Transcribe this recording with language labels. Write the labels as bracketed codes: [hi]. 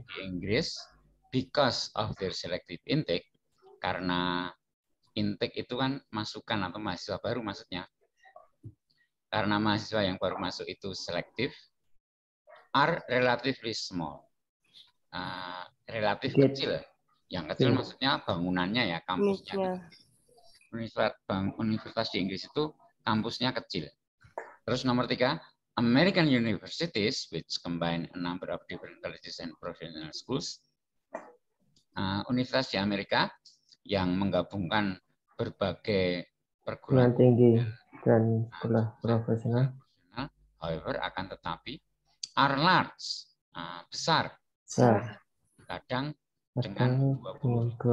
[id] Di Inggris, [en] because of their selective intake, [id] karena intake itu kan masukan atau mahasiswa baru maksudnya, karena mahasiswa yang baru masuk itu selective, [en] are relatively small, [id] relatif kecil. Yang kecil maksudnya bangunannya ya, kampusnya. Universitas di Inggris itu kampusnya kecil. Terus nomor tiga, [en] American universities, which combine a number of different colleges and professional schools. [id] Universitas di Amerika yang menggabungkan berbagai perguruan tinggi dan sekolah profesional. [en] However, [id] akan tetapi, [en] are large, [id] besar. Besar. Kadang, dengan 20.000